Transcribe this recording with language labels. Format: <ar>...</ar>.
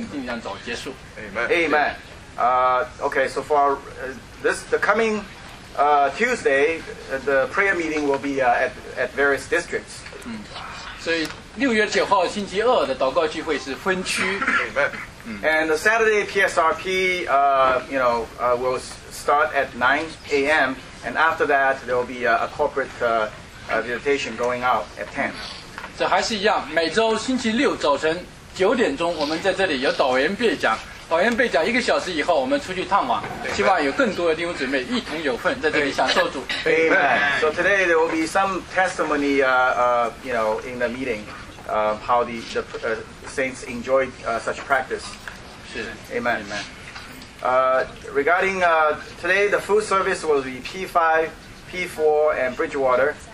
<zh>就希望弟兄姊妹如果有心的就一块的来，五点半或者是六点钟，六点钟我们吃饭，然后我们尽量早结束。Amen.</zh> <en>Okay, so for the coming Tuesday, the prayer meeting will be at various districts.</en> <zh>所以6月9号星期二的祷告聚会是分区。</zh> <en>And the Saturday PSRP, you know, will start at 9 a.m. And after that, there will be a corporate meditation going out at 10.</en> <zh>这还是一样，每周星期六早晨9点钟，我们在这里有导员辩讲。导员辩讲1个小时以后，我们出去探望，希望有更多的弟兄姊妹一同有份在这里享受主。</zh> <en>Amen. So today there will be some testimony, you know, in the meeting, how the saints enjoyed such practice.</en> <zh>是。</zh> <en>Amen. Amen. Regarding today, the food service will be P5, P4, and Bridgewater.</en>